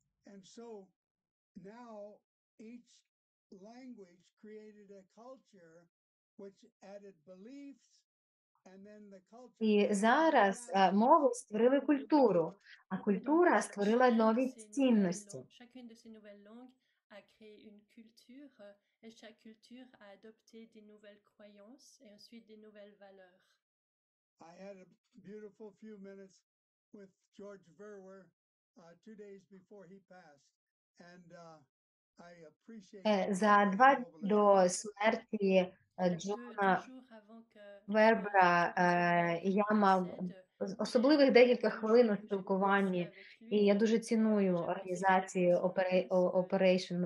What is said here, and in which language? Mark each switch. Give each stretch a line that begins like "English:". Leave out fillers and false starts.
English: And so now each language created a culture which added beliefs, and then the culture.
Ukrainian: І зараз мови створили культуру, а культура створила нові цінності.
French: Chacune de ces nouvelles langues a créé une culture, et chaque culture a adopté des nouvelles croyances et ensuite des nouvelles valeurs.
English: I had a beautiful few minutes with George Verwer 2 days before he passed, and I appreciate
Ukrainian: за 2 до смерті Джона Вербера я мав особливих декілька хвилин у спілкуванні, і я дуже ціную організацію Operation